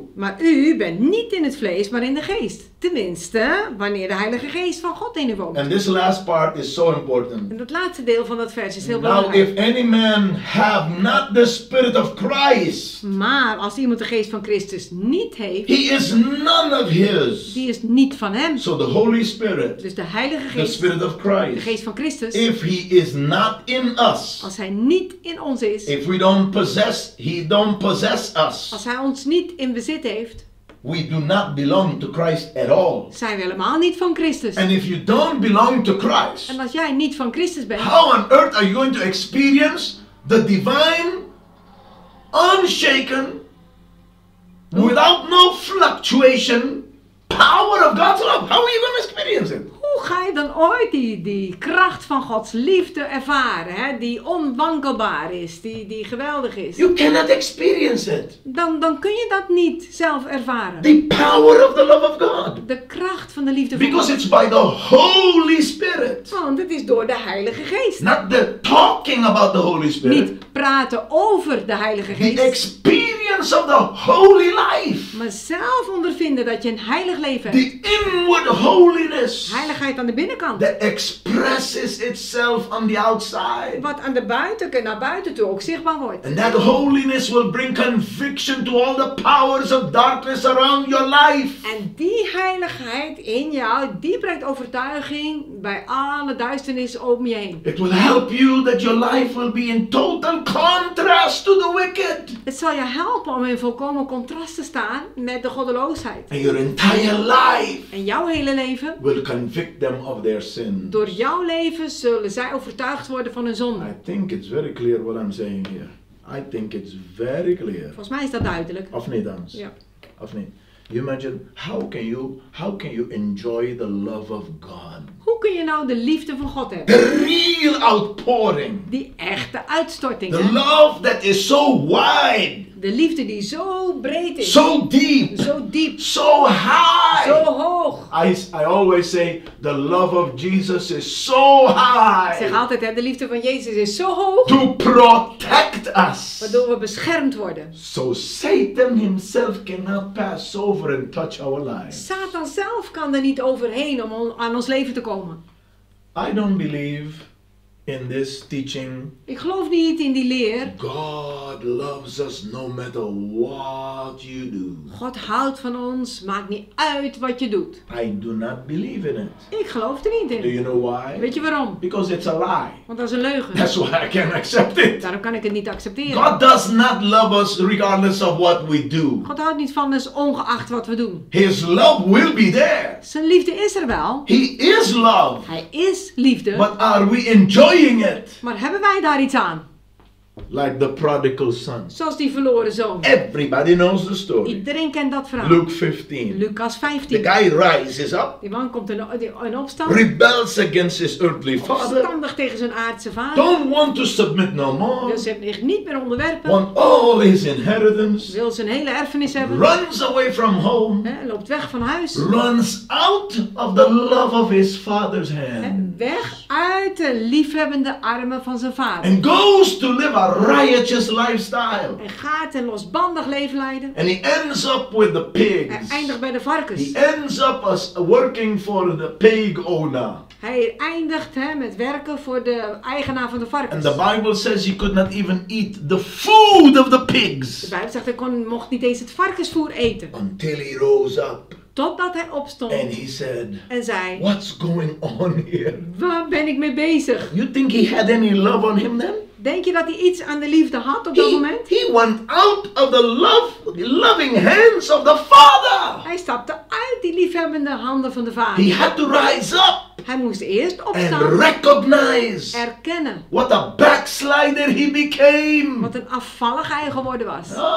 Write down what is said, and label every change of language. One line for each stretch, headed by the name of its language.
Dutch: Maar u bent niet in het vlees, maar in de geest. Tenminste, wanneer de Heilige Geest van God in u woont.
English: And this last part is so important.
Dutch: En dat laatste deel van dat vers is heel
English: Now,
Dutch: belangrijk.
English: If any man have not the spirit of Christ,
Dutch: maar als iemand de geest van Christus niet heeft,
English: he is none of his.
Dutch: Die is niet van hem.
English: So the Holy Spirit,
Dutch: dus de Heilige Geest,
English: the spirit of Christ,
Dutch: de geest van Christus,
English: if he is not in us,
Dutch: als hij niet in ons is,
English: if we don't possess, he don't possess us,
Dutch: als hij ons niet in bezit heeft,
English: we do not belong to Christ at all.
Dutch: Zijn we helemaal niet van Christus.
English: And if you don't belong to Christ.
Dutch: En als jij niet van Christus bent.
English: How on earth are you going to experience the divine, unshaken, without no fluctuation, power of God's love? How are you going to experience it?
Dutch: Hoe ga je dan ooit die kracht van Gods liefde ervaren, hè? Die onwankelbaar is, die geweldig is?
English: You cannot experience it.
Dutch: Dan kun je dat niet zelf ervaren.
English: The power of the love of God.
Dutch: De kracht van de liefde
English: Because
Dutch: van God.
English: Because it's by the Holy Spirit.
Dutch: Want het is door de Heilige Geest.
English: Not the talking about the Holy Spirit.
Dutch: Niet praten over de Heilige Geest.
English: The experience of the Holy Life.
Dutch: Maar zelf ondervinden dat je een heilig leven hebt.
English: The inward holiness.
Dutch: Heiligheid aan de binnenkant.
English: That expresses itself on the outside.
Dutch: Wat aan de buitenkant naar buiten toe ook zichtbaar wordt.
English: And that holiness will bring conviction to all the powers of darkness around your life.
Dutch: En die heiligheid in jou, die brengt overtuiging bij alle duisternis om je heen.
English: It will help you that your life will be in total contrast to the wicked.
Dutch: Het zal je helpen om in volkomen contrast te staan met de goddeloosheid.
English: And your entire life.
Dutch: En jouw hele leven.
English: Will convict them of their sins.
Dutch: Door jouw leven zullen zij overtuigd worden van hun zonde.
English: I think it's very clear what I'm saying here. I think it's very clear.
Dutch: Volgens mij is dat duidelijk. Of niet, Hans? Ja. Of niet?
English: You imagine, how can you enjoy the love of God?
Dutch: Hoe kun je nou de liefde van God hebben?
English: The real outpouring.
Dutch: Die echte uitstorting.
English: The love that is so wide.
Dutch: De liefde die zo breed is.
English: So deep.
Dutch: Zo diep.
English: So high.
Dutch: Zo hoog.
English: I always say, the love of Jesus is so high.
Dutch: Ik zeg altijd, hè, de liefde van Jezus is zo hoog.
English: To protect us.
Dutch: Waardoor we beschermd worden.
English: So Satan himself cannot pass over and touch our lives.
Dutch: Satan zelf kan er niet overheen om aan ons leven te komen.
English: I don't believe in this teaching.
Dutch: Ik geloof niet in die leer.
English: God loves us no matter what you do.
Dutch: God houdt van ons, maakt niet uit wat je doet.
English: I do not believe in it.
Dutch: Ik geloof er niet in.
English: Do you know why?
Dutch: Weet je waarom?
English: Because it's a lie.
Dutch: Want dat is een leugen.
English: That's why I can't accept it.
Dutch: Daarom kan ik het niet accepteren.
English: God does not love us regardless of what we do.
Dutch: God houdt niet van ons ongeacht wat we doen.
English: His love will be there.
Dutch: Zijn liefde is er wel.
English: He is love.
Dutch: Hij is liefde.
English: But are we enjoying?
Dutch: Maar hebben wij daar iets aan?
English: Like the prodigal son.
Dutch: Zoals die verloren zoon.
English: Everybody knows the story.
Dutch: Iedereen kent dat verhaal.
English: Luke 15.
Dutch: Lucas 15.
English: The guy rises up.
Dutch: Die man komt in opstand.
English: Rebels against his earthly father.
Dutch: Opstandig tegen zijn aardse vader.
English: Don't want to submit no more.
Dutch: Wil zich niet meer onderwerpen.
English: Want all his inheritance.
Dutch: Wil zijn hele erfenis hebben.
English: Runs away from home.
Dutch: He, loopt weg van huis.
English: Runs out of the love of his father's hand.
Dutch: Weg uit de liefhebbende armen van zijn vader.
English: And goes to live a riotous lifestyle.
Dutch: Hij gaat een losbandig leven leiden.
English: And he ends up with the pigs.
Dutch: Hij eindigt bij de varkens.
English: He ends up as working for the pig owner.
Dutch: Hij eindigt, hè, met werken voor de eigenaar van de varkens.
English: And the Bible says he could not even eat the food of the pigs.
Dutch: De Bijbel zegt hij mocht niet eens het varkensvoer eten.
English: Until he rose up.
Dutch: Totdat hij opstond.
English: And he said,
Dutch: en zei.
English: What's going on here?
Dutch: Waar ben ik mee bezig?
English: You think he had any love on him then?
Dutch: Denk je dat hij iets aan de liefde had op dat moment?
English: He went out of the loving hands of the Father.
Dutch: Hij stapte uit die liefhebbende handen van de Vader.
English: He had to rise up.
Dutch: Hij moest eerst opstaan.
English: And recognize.
Dutch: Erkennen.
English: What a backslider he became.
Dutch: Wat een afvallig hij geworden was.